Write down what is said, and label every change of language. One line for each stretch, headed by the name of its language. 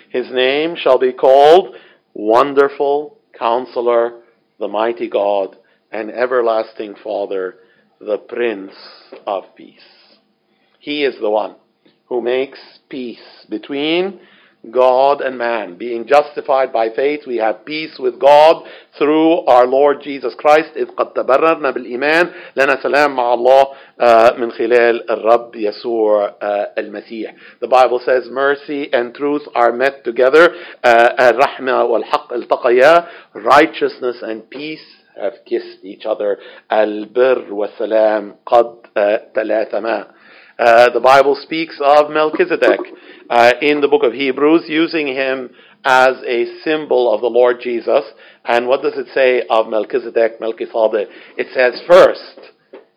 English: His name shall be called Wonderful Counselor, the Mighty God, and Everlasting Father, the Prince of Peace. He is the one who makes peace between God and man. Being justified by faith, we have peace with God through our Lord Jesus Christ.
Arabic: إذ قد تبررنا بالإيمان لنا سلام مع الله من خلال الرب يسوع المسيح.
English: The Bible says mercy and truth are met together.
Arabic: الرحمة والحق التقيا.
English: Righteousness and peace have kissed each other.
Arabic: البر والسلام قد تلاثما.
English: The Bible speaks of Melchizedek in the book of Hebrews, using him as a symbol of the Lord Jesus. And what does it say of Melchizedek? It says, first,